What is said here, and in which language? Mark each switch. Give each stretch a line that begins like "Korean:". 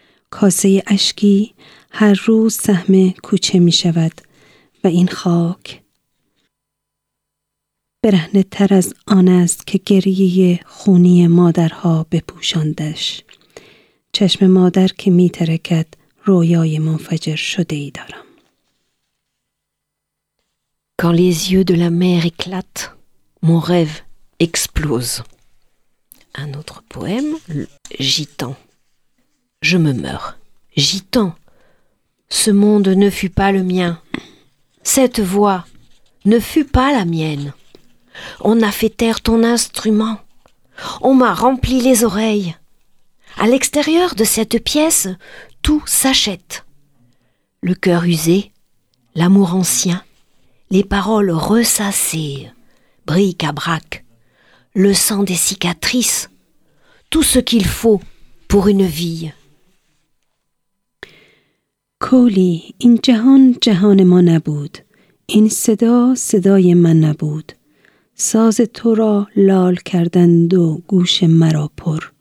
Persian: کاسه اشکی هر روز سهم کوچه می شود و این خاک برهنه تر از آن است که گریه خونی مادرها بپوشاندش. چشم مادر که می ترکد رویای منفجر شده ای دارم.
French: Quand les yeux de la mère éclatent, mon rêve explose. Un autre poème, Gitan. Je me meurs. Gitan, ce monde ne fut pas le mien. Cette voix ne fut pas la mienne. On a fait taire ton instrument. On m'a rempli les oreilles. À l'extérieur de cette pièce, tout s'achète. Le cœur usé, l'amour ancien, les paroles ressassées, bric-à-brac, le sang des cicatrices, tout ce qu'il faut pour une vie.
Persian: کلی این جهان جهان ما نبود، این صدا صدای من نبود، ساز تو را لال کردند و گوش مرا پر.